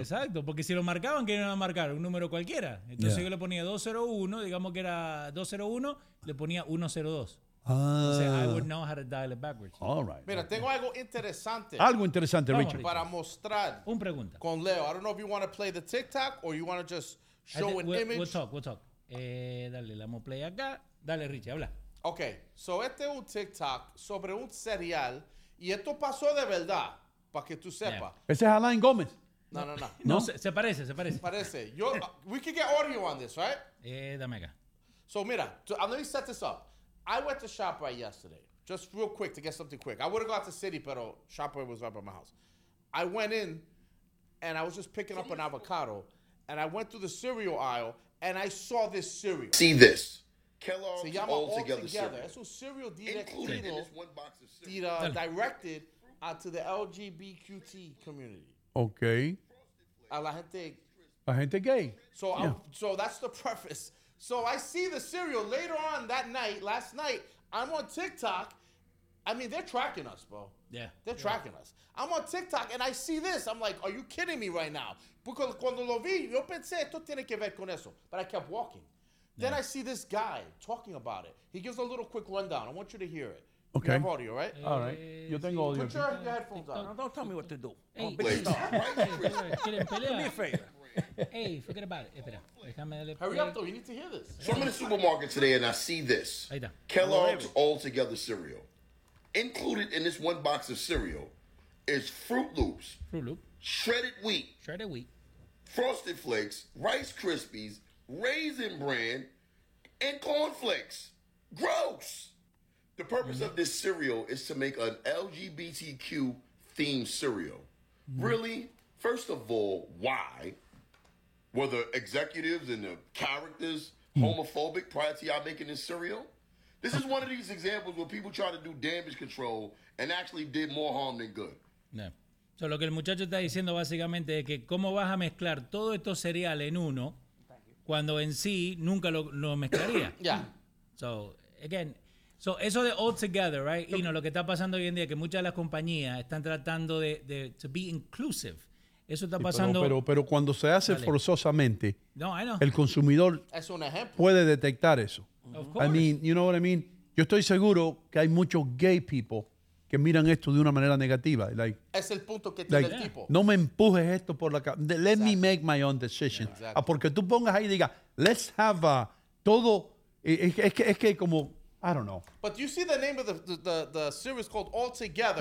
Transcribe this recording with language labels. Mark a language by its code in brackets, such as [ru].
[es] Exacto, porque si lo marcaban, ¿quién iba a marcar? Un número cualquiera. Entonces yo le ponía 201, digamos que era 201, le ponía 102. [en] I would know how to dial it backwards. All right. [es] Mira, okay. Tengo algo interesante. Algo interesante, Richard. Para mostrar. Un pregunta. Con Leo. [en] I don't know if you want to play the TikTok or you want to just show an image. We'll talk. [es] Dale, le damos play acá. Dale, Richard, habla. Okay. So, este es un TikTok sobre un cereal. Y esto pasó de verdad, para que tú sepas. Yeah. Ese es Alain Gómez. No. Se parece. [en] Yo, we can get audio on this, right? [es] Dame acá. [en] So, mira, let me set this up. I went to ShopRite yesterday, just real quick to get something quick. I would have gone to City, but ShopRite was right by my house. I went in, and I was just picking up an avocado, and I went through the cereal aisle, and I saw this cereal. See this. Kellogg's [es] se llama [en] All Together. Cereal. That's a cereal directed. Included in this one box of cereal. Directed to the LGBTQ community. Okay. [es] A la gente. A gente gay. [en] So, yeah. So that's the preface. So I see the cereal later on that night, last night, I'm on TikTok. I mean, they're tracking us, bro. Yeah. They're tracking us. I'm on TikTok and I see this. I'm like, are you kidding me right now? [es] Porque cuando lo vi, yo pensé, esto tiene que ver con eso. [en] But I kept walking. Then I see this guy talking about it. He gives a little quick rundown. I want you to hear it. Okay. You have audio, right? All right. You think audio. Put your headphones on. Don't tell me what to do. Hey, I'm a big star. Do me a favor. Hey, forget about it. Hurry up, though. You need to hear this. So I'm in the supermarket today, and I see this. Kellogg's All Together cereal. Included in this one box of cereal is Fruit Loops. Fruit Loop. Shredded Wheat. Shredded Wheat. Frosted Flakes. Rice Krispies. Raisin Bran, and Corn Flakes. Gross! The purpose of this cereal is to make an LGBTQ-themed cereal. Mm. Really? First of all, why? Were the executives and the characters homophobic prior to y'all making this cereal? This is one of these examples where people try to do damage control and actually did more harm than good. Yeah. [es] So, lo que el muchacho está diciendo básicamente es que cómo vas a mezclar todos estos cereales en uno cuando en sí nunca lo mezclaría. [en] Yeah. So, again, so [es] eso de [en] All Together, right? [es] Y no, lo que está pasando hoy en día es que muchas de las compañías están tratando de [en] to be inclusive. [es] Eso está pasando. Pero cuando se hace forzosamente, [en] no, I know. [es] El consumidor es un ejemplo. Puede detectar eso. [en] Of course. I mean, you know what I mean? [es] Yo estoy seguro que hay muchos [en] gay people [es] que miran esto de una manera negativa. [en] Like, [es] es el punto que tiene [en] like, [es] el tipo. No me empujes esto por la cara. [en] Let me make my own decision. Yeah, exactly. [es] Porque tú pongas ahí y digas, [en] let's have a [es] todo. Es que como, [en] I don't know. But you see the name of the series called All Together.